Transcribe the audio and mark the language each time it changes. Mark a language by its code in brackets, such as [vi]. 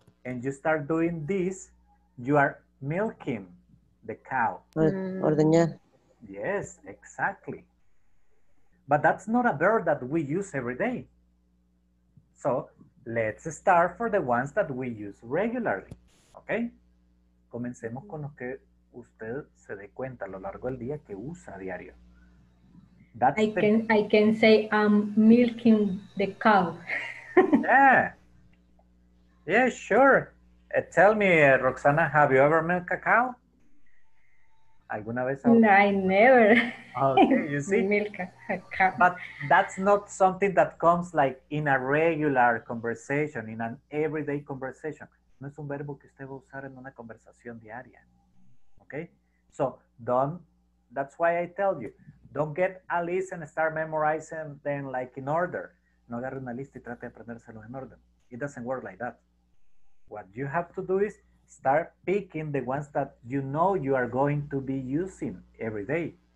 [en] and you start doing this, you are milking the cow. [es] Ordeñar. [en] Yes, exactly. But that's not a verb that we use every day. So let's start for the ones that we use regularly, okay? [es] Comencemos con los que usted se dé cuenta a lo largo del día que usa a diario. [en] I can say I'm milking the cow. Yeah, sure. Tell me, Roxana, have you ever milked a cow? [es] ¿Alguna vez? [en] No, I never. Okay, you see? Milk a cow. But that's not something that comes like in a regular conversation, in an everyday conversation. [es] No es un verbo que usted va a usar en una conversación diaria. [en] Okay? So, that's why I tell you, don't get a list and start memorizing them like in order. [es] No agarre una lista y trate de aprendérselos en orden. [en] It doesn't work like that. What you have to do is start picking the ones that you know you are going to be using every day.